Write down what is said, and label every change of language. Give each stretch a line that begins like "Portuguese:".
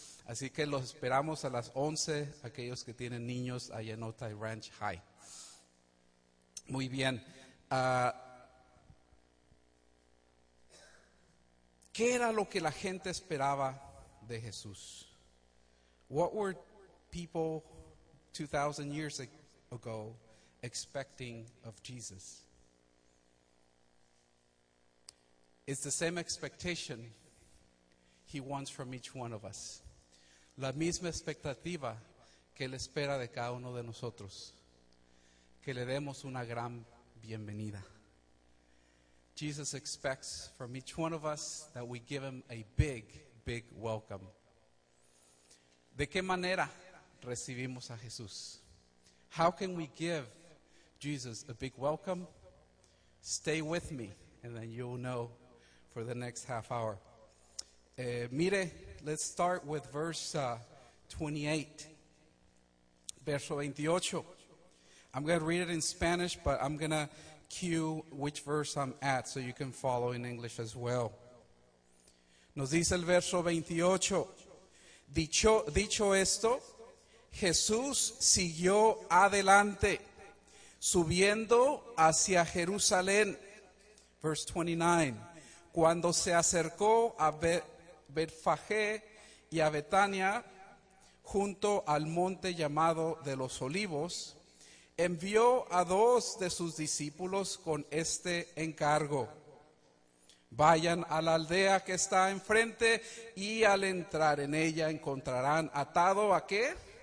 Spanish: Así que los esperamos a las 11, aquellos que tienen niños allá en Otay Ranch High. Muy bien. ¿Qué era lo que la gente esperaba de Jesús?
English: What were people 2,000 years ago expecting of Jesus? It's the same expectation he wants from each one of us.
Spanish: La misma expectativa que él espera de cada uno de nosotros. Que le demos una gran bienvenida.
English: Jesus expects from each one of us that we give him a big, big welcome.
Spanish: ¿De qué manera recibimos a Jesús?
English: How can we give Jesus a big welcome? Stay with me, and then you'll know for the next half hour. Mire, let's start with verse 28.
Spanish: Verso 28.
English: I'm going to read it in Spanish, but I'm going to cue which verse I'm at so you can follow in English as well.
Spanish: Nos dice el verso 28. Dicho esto, Jesús siguió adelante, subiendo hacia Jerusalén.
English: Verse 29.
Spanish: cuando se acercó a Betfagé y a Betania, junto al monte llamado de los Olivos, envió a dos de sus discípulos con este encargo: vayan a la aldea que está enfrente, y al entrar en ella encontrarán atado a qué?